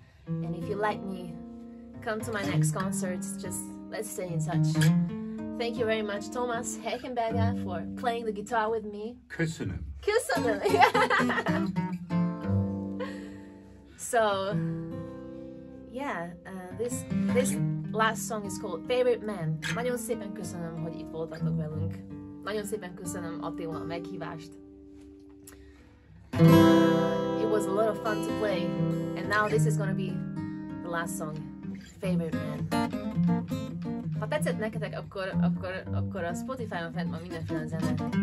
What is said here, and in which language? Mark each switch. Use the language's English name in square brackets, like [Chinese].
[English] And if you like me, come to my next concert. Just let's stay in touch. Thank you very much, Thomas Heckenberger, for playing the guitar with me. [Hungarian] Köszönöm. [English] So, yeah, this last song is called Favorite Man. [Hungarian] Nagyon szépen köszönöm, hogy itt voltatok velünk. Nagyon szépen köszönöm, Attila, a meghívást. [English] was a lot of fun to play. And now this is gonna be the last song. Favorite man. [Hungarian] Ha tetszett nektek, akkor a Spotify-on fent van mindenféle zene.